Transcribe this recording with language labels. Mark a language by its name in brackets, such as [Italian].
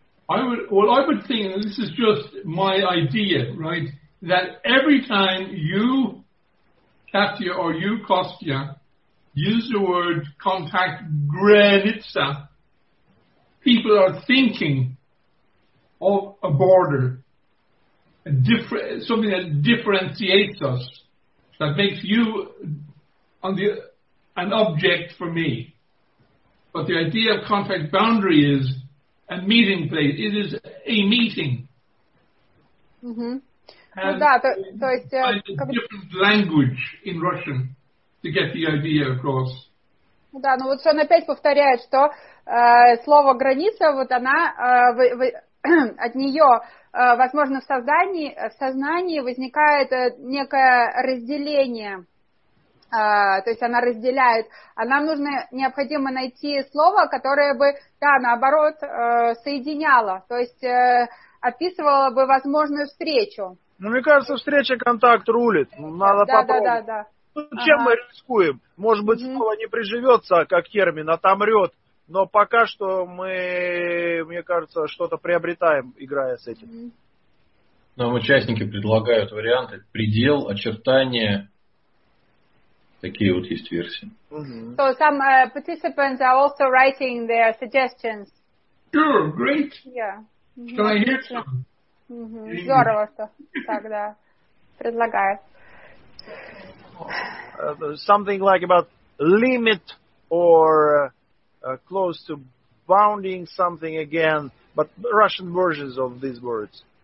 [English] I would think, and this is just my idea, right, that every time you, Katya, or you, Kostya, use the word contact granica, people are thinking of a border, something that differentiates us, that makes you an object for me. But the idea of contact boundary is a meeting place. It is a meeting. Mm-hmm. And a different language in Russian to get the idea across. [Russian] Да, ну вот что он опять повторяет, что слово граница, вот она от нее, возможно, в сознании возникает некое разделение. То есть она разделяет. А нам необходимо найти слово, которое бы, да, наоборот, соединяло. То есть описывало бы возможную встречу. Ну, мне кажется, встреча контакт рулит. Надо попробовать. Да. Ну, чем мы рискуем? Может быть, слово не приживется, как термин, отомрет. Но пока что мы, мне кажется, что-то приобретаем, играя с этим. Нам участники предлагают варианты предел, очертания. Такие вот есть версии. Mm-hmm. [English] So some participants are also writing their suggestions. Sure, great. Yeah. Mm-hmm. Can I hear some? Mm-hmm. [Russian] Здорово, что так, да. Предлагаю. [English] Something like about limit or close to bounding something again, but Russian versions of these words.